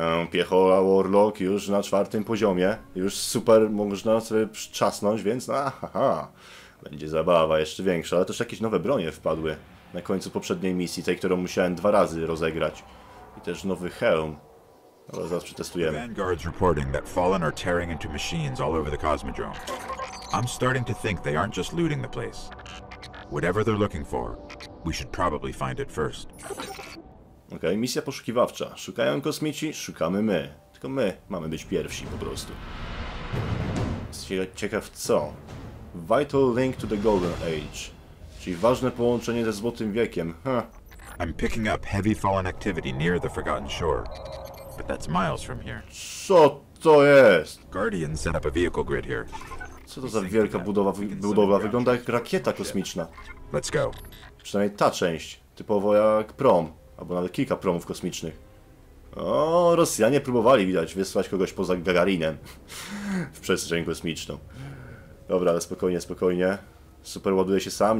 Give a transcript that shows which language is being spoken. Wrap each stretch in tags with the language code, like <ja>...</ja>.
<pl>Piechola Warlock już na czwartym poziomie. Już super można sobie czasnąć, więc będzie zabawa jeszcze większa. Ale też jakieś nowe bronie wpadły na końcu poprzedniej misji, tej, którą musiałem dwa razy rozegrać. I też nowy hełm. Dobra, zaraz przetestujemy.</pl> <en>Vanguard's reporting that Fallen are tearing into machines all over the Cosmodrome. I'm starting to think they aren't just looting the place. Whatever they're looking for, we should probably find it first.</en> <pl>Okej, misja poszukiwawcza. Szukają kosmici, szukamy my. Tylko my mamy być pierwsi po prostu. Ciekaw co?</pl> <en>Vital link to the Golden Age.</en> <pl>Czyli ważne połączenie ze Złotym Wiekiem.</pl> <en>I'm picking up heavy fallen activity near the Forgotten Shore. But that's miles from here.</en> <pl>Co to jest?</pl> <en>Guardian set up a vehicle grid here.</en> <pl>Co to za wielka budowla? Wygląda jak rakieta kosmiczna.</pl> <en>Let's go.</en> <pl>Przynajmniej ta część. Typowo jak prom. Albo nawet kilka promów kosmicznych. O, Rosjanie próbowali, widać, wysłać kogoś poza Gagarinem. W przestrzeń kosmiczną. Dobra, ale spokojnie, spokojnie. Super ładuje się sam?</pl>